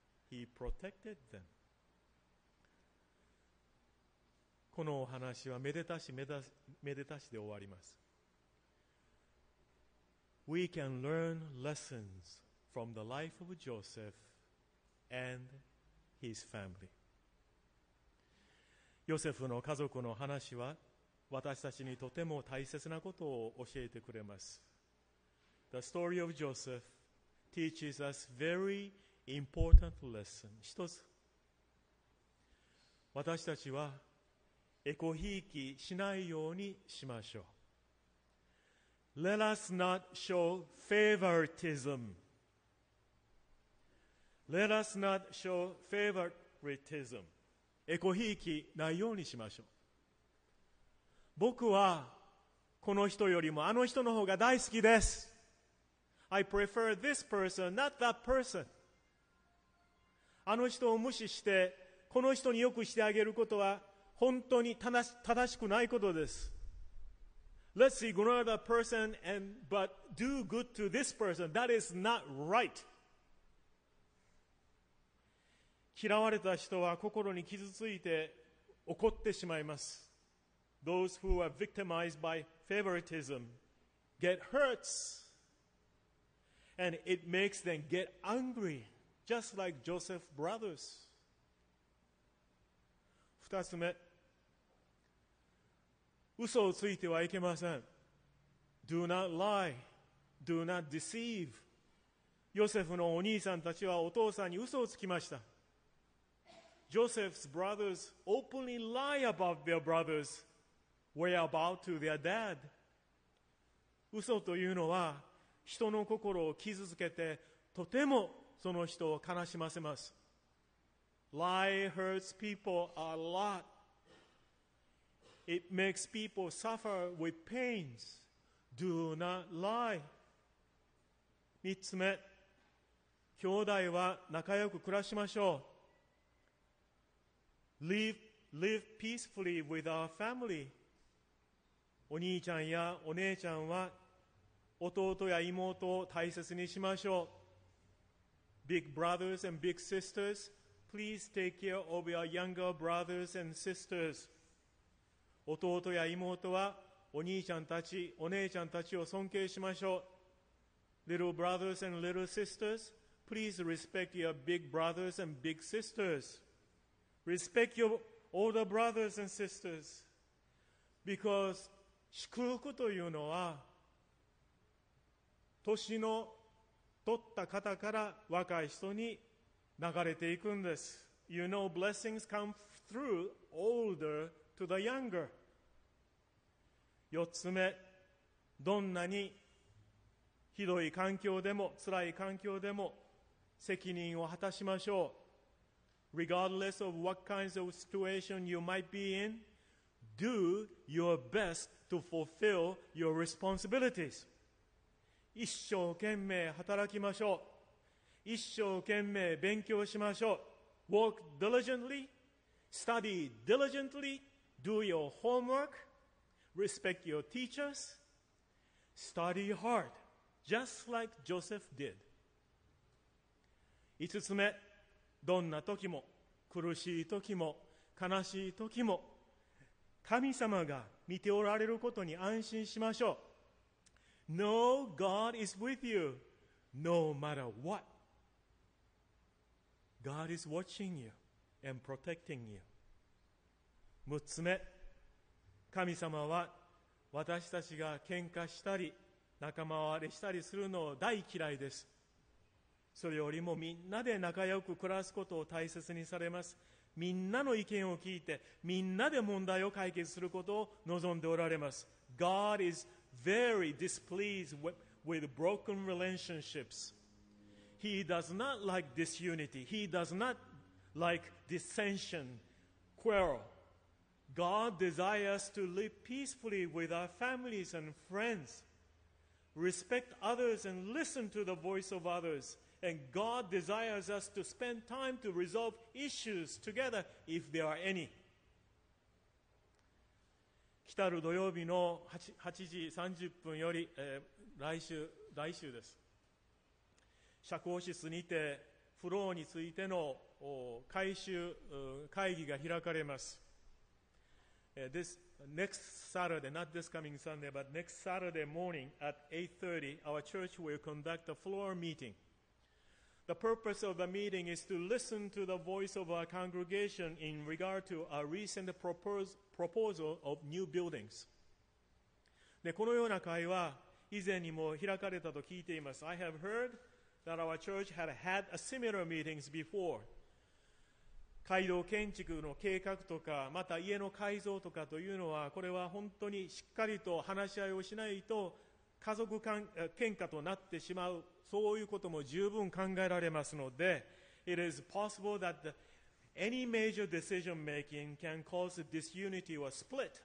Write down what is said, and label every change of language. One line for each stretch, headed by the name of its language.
English: He protected them.
Japanese: このお話はめでたしで終わります。
English: We can learn lessons from the life of Joseph and his family.
Japanese: ヨセフの家族の話は私たちにとても大切なことを教えてくれます。
English: The story of Joseph teaches us very important lesson.
Japanese: 一つ、私たちはエコひいきしないようにしましょう。
English: Let us not show favoritism. Let us not show favoritism.
Japanese: エコひいきないようにしましょう。僕はこの人よりもあの人の方が大好きです。
English: I prefer this person, not that person.
Japanese: あの人を無視してこの人によくしてあげることは本当に正しくないことです。
English: Let's ignore that person and but do good to this person. That is not right.
Japanese: 嫌われた人は心に傷ついて怒ってしまいます。
English: Those who are victimized by favoritism get hurts and it makes them get angry, just like Joseph's brothers.
Japanese: 二つ目。嘘をついてはいけません。
English: Do not lie. Do not deceive.
Japanese: ヨセフのお兄さんたちはお父さんに嘘をつきました。
English: Joseph's brothers openly lie about their brothers' whereabout to their dad.
Japanese: 嘘というのは人の心を傷つけてとてもその人を悲しませます。
English: Lie hurts people a lot. It makes people suffer with pains. Do not lie.
Japanese: 三つ目、兄弟は仲良く暮らしましょう。
English: Live peacefully with our family.
Japanese: お兄ちゃんやお姉ちゃんは弟や妹を大切にしましょう。
English: Big brothers and big sisters, please take care of your younger brothers and sisters.
Japanese: 弟や妹はお兄ちゃんたち、お姉ちゃんたちを尊敬しましょう。
English: Little brothers and little sisters, please respect your big brothers and big sisters. Respect your older brothers and sisters. Because
Japanese: 祝福というのは、年の取った方から若い人に流れていくんです。
English: You know, blessings come through older to the younger.
Japanese: 四つ目、どんなにひどい環境でも、つらい環境でも、責任を果たしましょう。
English: Regardless of what kinds of situation you might be in, do your best to fulfill your responsibilities.
Japanese: 一生懸命働きましょう。一生懸命勉強しましょう。
English: Work diligently, study diligently, do your homework. Respect your teachers. Study hard, just like Joseph did.
Japanese: 五つ目、どんな時も、苦しい時も、悲しい時も、神様が見ておられることに安心しましょう。
English: Know God is with you, no matter what. God is watching you and protecting you.
Japanese: 六つ目、神様は私たちが喧嘩したり仲間割れしたりするのを大嫌いです。それよりもみんなで仲良く暮らすことを大切にされます。みんなの意見を聞いてみんなで問題を解決することを望んでおられます。
English: God is very displeased with broken relationships. He does not like disunity. He does not like dissension, quarrel. God desires to live peacefully with our families and friends. Respect others and listen to the voice of others. And God desires us to spend time to resolve issues together if there are any.
Japanese: 来たる土曜日の 8時30分より、来週です。社交室にてフローについての回収会議が開かれます。
English: This next Saturday, not this coming Sunday, but next Saturday morning at 8:30, our church will conduct a floor meeting. The purpose of the meeting is to listen to the voice of our congregation in regard to our recent proposal of new buildings.
Japanese: で、このような会は以前にも開かれたと聞いています。
English: I have heard that our church had had a similar meetings before.
Japanese: 街道建築の計画とか、また家の改造とかというのは、これは本当にしっかりと話し合いをしないと、家族喧嘩となってしまう、そういうことも十分考えられますので、
English: It is possible that any major decision making can cause disunity or split.